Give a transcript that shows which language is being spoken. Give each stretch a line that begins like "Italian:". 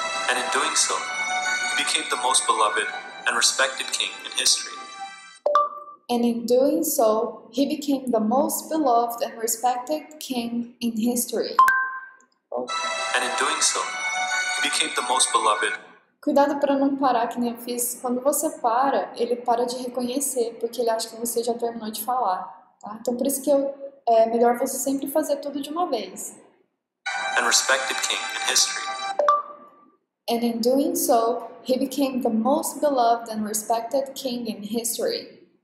English: And in doing so, he became the most beloved and respected king in history. And in doing so, he became the most beloved and respected king in history. And in doing so, he became the most beloved.
Portuguese: Cuidado para não parar que nem eu fiz. Quando você para, ele para de reconhecer, porque ele acha que você já terminou de falar. Tá? Então por isso que é melhor você sempre fazer tudo de uma vez.
English: And respected king in history. And in doing so, he became the most beloved and respected king in history.